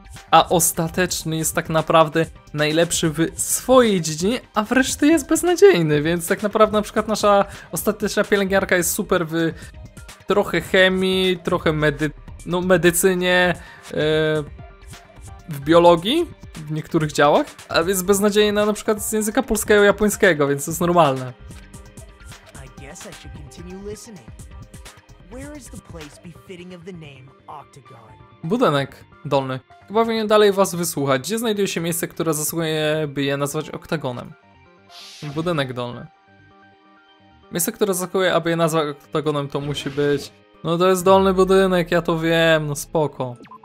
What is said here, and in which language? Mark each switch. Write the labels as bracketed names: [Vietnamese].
[Polish] A ostateczny jest tak naprawdę najlepszy w swojej dziedzinie, a w reszcie jest beznadziejny, więc tak naprawdę na przykład nasza ostateczna pielęgniarka jest super w trochę chemii, trochę medycynie, w biologii, w niektórych działach, a więc beznadziejna na przykład z języka polskiego i japońskiego, więc to jest normalne. [English] I guess I should continue listening. Where is the place befitting of the name Octagon? [Polish] Budynek dolny. Chyba powinien dalej was wysłuchać. Gdzie znajduje się miejsce, które zasługuje, by je nazwać oktagonem? Budynek dolny. Miejsce, które zasługuje, aby je nazwać oktagonem, to musi być... No to jest dolny budynek, ja to wiem, no spoko.